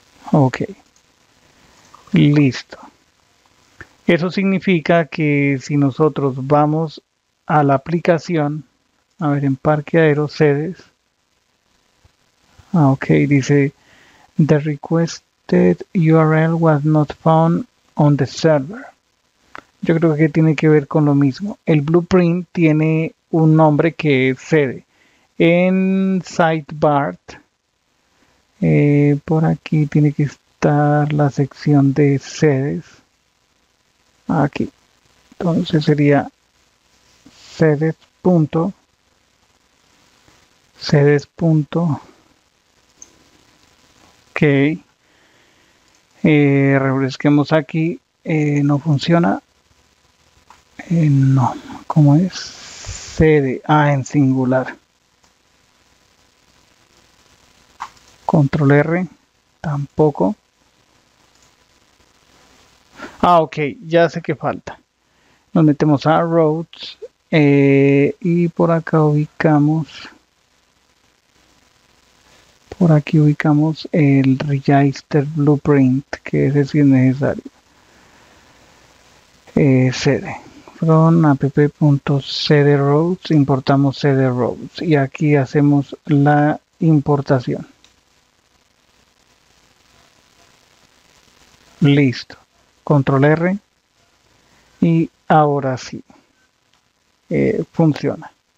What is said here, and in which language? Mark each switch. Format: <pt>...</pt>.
<es>Ok. Listo. Eso significa que si nosotros vamos a la aplicación, a ver, en parqueadero sedes. Ok, dice</es> <en>the request. URL was not found on the server.</en> <es>Yo creo que tiene que ver con lo mismo. El blueprint tiene un nombre que es sede. En sidebar, por aquí tiene que estar la sección de sedes. Aquí. Entonces sería sedes punto sedes punto. Okay. Refresquemos aquí, no funciona. No, ¿cómo es? Sede, en singular. Control R, tampoco. Ah, ok, ya sé qué falta. Nos metemos a Routes, y por acá ubicamos. Por aquí ubicamos el Register Blueprint, que ese sí es necesario. Cd. From app.cdRoads, importamos cdRoads. Y aquí hacemos la importación. Listo. Control R. Y ahora sí. Funciona.</es>